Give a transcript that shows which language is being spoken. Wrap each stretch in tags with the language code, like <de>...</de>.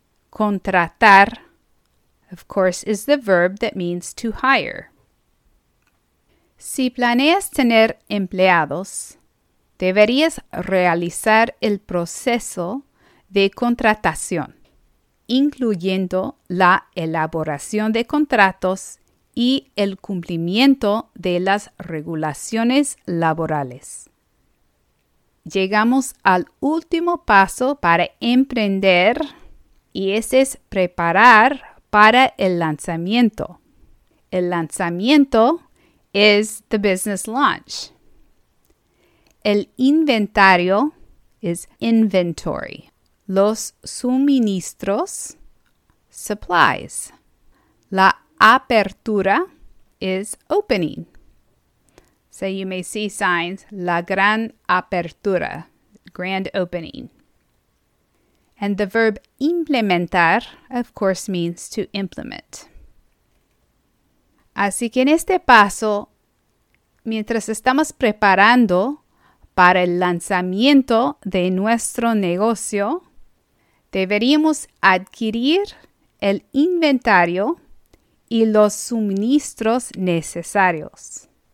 <en>Contratar, of course, is the verb that means to hire.</en> <es>Si planeas tener empleados, deberías realizar el proceso de contratación, incluyendo la elaboración de contratos y el cumplimiento de las regulaciones laborales. Llegamos al último paso para emprender, y ese es preparar para el lanzamiento.</es> <en>El lanzamiento is the business launch. El inventario is inventory.</en> <es>Los suministros, supplies.</es> <en>La apertura is opening. So you may see signs,</en> <es>la gran apertura,</es> <en>grand opening. And the verb implementar, of course, means to implement.</en> <es>Así que en este paso, mientras estamos preparando para el lanzamiento de nuestro negocio, deberíamos adquirir el inventario y los suministros necesarios.</es>